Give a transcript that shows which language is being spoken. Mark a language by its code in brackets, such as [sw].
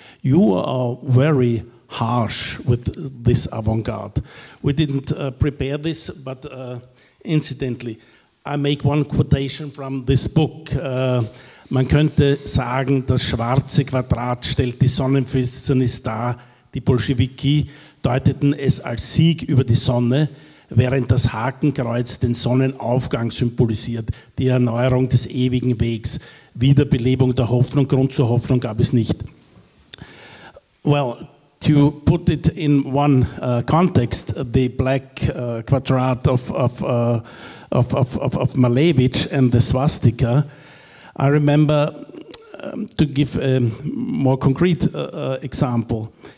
[en] You are very harsh with this avant-garde. We didn't prepare this, but incidentally, I make one quotation from this book. [de] Man könnte sagen, das schwarze Quadrat stellt die Sonnenfinsternis dar. Die Bolschewiki deuteten es als Sieg über die Sonne, während das Hakenkreuz den Sonnenaufgang symbolisiert, die Erneuerung des ewigen Wegs, Wiederbelebung der Hoffnung. Grund zur Hoffnung gab es nicht. [en] Well, to put it in one context, the black quadrat of Malevich and the swastika, I remember to give a more concrete example.